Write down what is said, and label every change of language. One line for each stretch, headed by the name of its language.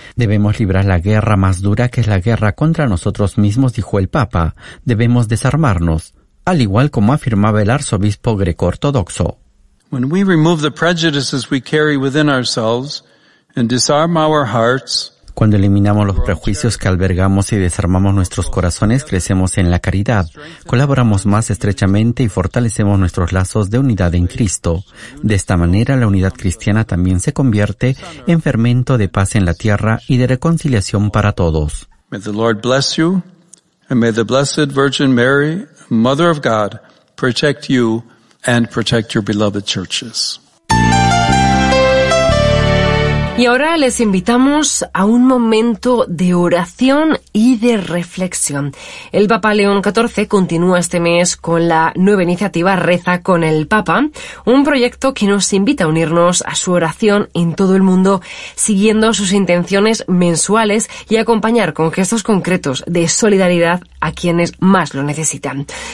Spanish: Debemos librar la guerra más dura, que es la guerra contra nosotros mismos, dijo el Papa. Debemos desarmarnos, al igual como afirmaba el arzobispo greco-ortodoxo.
English: When we remove the prejudices we carry within ourselves and disarm our hearts,
Spanish: cuando eliminamos los prejuicios que albergamos y desarmamos nuestros corazones, crecemos en la caridad, colaboramos más estrechamente y fortalecemos nuestros lazos de unidad en Cristo. De esta manera, la unidad cristiana también se convierte en fermento de paz en la tierra y de reconciliación para todos.
English: May the Lord bless you, and may the Blessed Virgin Mary, Mother of God, protect you and protect your beloved churches.
Spanish: Y ahora les invitamos a un momento de oración y de reflexión. El Papa León XIV continúa este mes con la nueva iniciativa Reza con el Papa, un proyecto que nos invita a unirnos a su oración en todo el mundo, siguiendo sus intenciones mensuales y acompañar con gestos concretos de solidaridad a quienes más lo necesitan.